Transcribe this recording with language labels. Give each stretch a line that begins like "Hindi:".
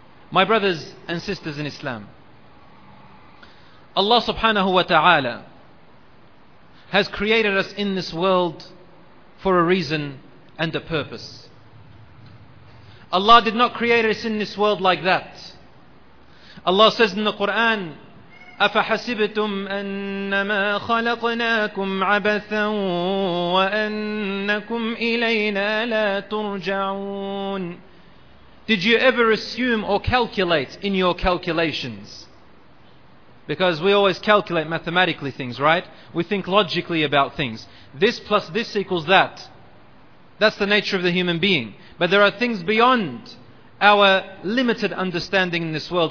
English: My brothers and sisters in Islam, Allah subhanahu wa ta'ala has created us in this world for a reason and a purpose. Allah did not create us in this world like that. Allah says in the Quran,
Arabic: أَفَحَسِبْتُمْ أَنَّمَا خَلَقْنَاكُمْ عَبَثًا وَأَنَّكُمْ إِلَيْنَا لَا تُرْجَعُونَ.
English: Did you ever assume or calculate in your calculations? Because we always calculate mathematically things, right? We think logically about things. This plus this equals that. That's the nature of the human being. But there are things beyond our limited understanding in this world.